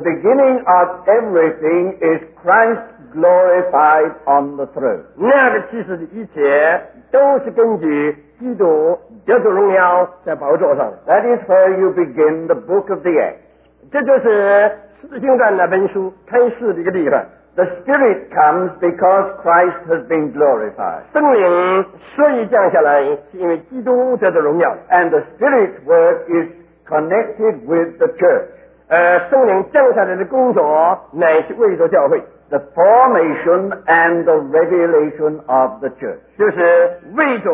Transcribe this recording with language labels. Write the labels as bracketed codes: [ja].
[en] beginning of everything is Christ glorified on the throne. [zh] 那个其实一切都是根据基督得着荣耀在宝座上。 [en] That is where you begin the book of the Acts. [zh] 这就是使徒行传那本书开始的一个地方。 [en] The Spirit comes because Christ has been glorified. [zh] 圣灵所以降下来是因为基督得着荣耀。 [en] And the Spirit's work is connected with the church. [zh] 圣灵降下来的工作乃是为着教会。 [en] The formation and the revelation of the church.